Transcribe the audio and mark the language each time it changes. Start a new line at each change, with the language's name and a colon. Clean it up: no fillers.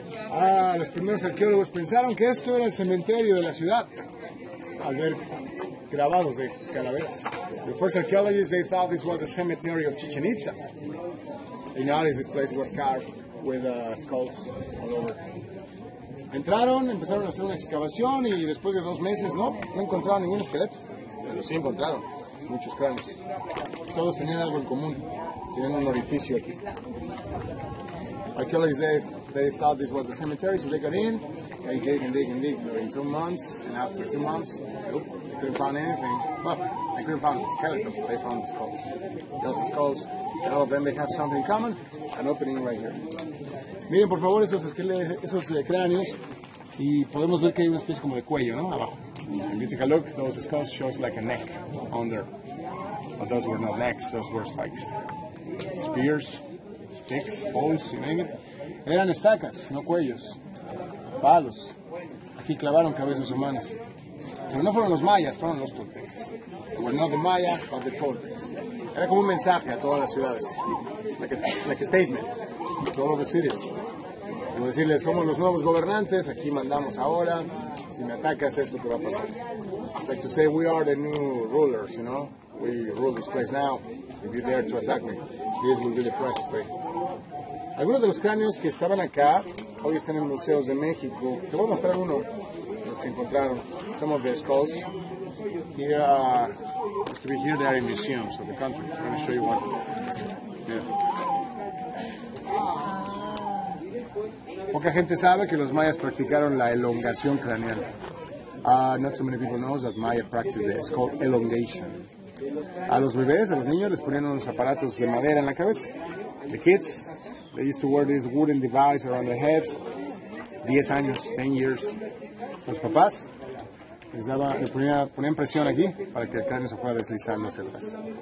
Spanish: Ah, los primeros arqueólogos pensaron que esto era el cementerio de la ciudad. Al ver grabados de calaveras.
English: The first archaeologists, they thought this was a cemetery of Chichen Itza. In Ares, this place was carved with skulls all over.
Spanish: Entraron, empezaron a hacer una excavación y después de dos meses, no encontraron ningún esqueleto. Pero sí encontraron muchos cráneos. Todos tenían algo en común. Tienen un orificio aquí.
English: Archaeologists, they thought this was a cemetery, so they got in and dig. During 2 months, and after 2 months, couldn't find anything. Well, they couldn't find the skeleton. They found the skulls. Just the skulls. And all of them, they have something in common. An opening right here.
Spanish: Miren, por favor, esos cráneos. Y podemos ver que hay una especie como de cuello, ¿no? Abajo.
English: And you take a look, those skulls show like a neck under. But those were not necks, those were spikes. Spears, sticks, poles, you name it.
Spanish: Eran estacas, no cuellos. Palos. Aquí clavaron cabezas humanas. Pero no fueron los mayas, fueron los toltecas.
English: They were not the Maya, but the Toltecs.
Spanish: Era como un mensaje a todas las ciudades.
English: Like a statement. To all the cities.
Spanish: Como decirles, somos los nuevos gobernantes, aquí mandamos ahora. Si me atacas, esto te va a pasar.
English: It's like to say, we are the new rulers, you know. We rule this place now. If you dare to attack me, this will be the price for you.
Spanish: Algunos de los cráneos que estaban acá, hoy están en museos de México. Te voy a mostrar uno, los que encontraron.
English: Some of the skulls. Here, to be here, they are in museums of the country. I'm going to show you one. Yeah.
Spanish: Poca gente sabe que los mayas practicaron la elongación craneal.
English: Not so many people know that Maya practiced it. It's called elongation.
Spanish: A los bebés, a los niños, les ponían unos aparatos de madera en la cabeza.
English: The kids, they used to wear this wooden device around their heads.
Spanish: 10 años,
English: 10 years.
Spanish: Los papás les ponían presión aquí para que el cráneo se fuera deslizando hacia atrás.